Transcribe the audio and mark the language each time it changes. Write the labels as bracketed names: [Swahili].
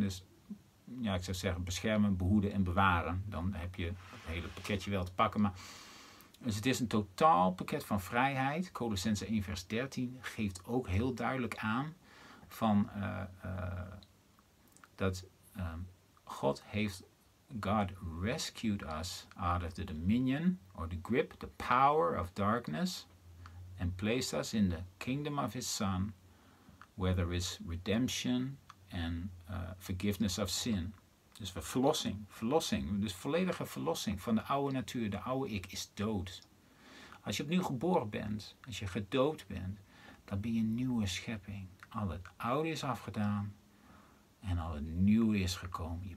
[Dutch] Dus ja, ik zou zeggen beschermen, behoeden en bewaren. Dan heb je het hele pakketje wel te pakken. Maar, dus het is een totaal pakket van vrijheid. Colossense 1 vers 13 geeft ook heel duidelijk aan van dat God heeft, [English] God rescued us out of the dominion, or the grip, the power of darkness, and placed us in the kingdom of his Son, where there is redemption and forgiveness of sin. [Dutch] Dus verlossing, dus volledige verlossing van de oude natuur, de oude ik is dood. Als je opnieuw geboren bent, als je gedoopt bent, dan ben je een nieuwe schepping. Al het oude is afgedaan en al het nieuwe is gekomen.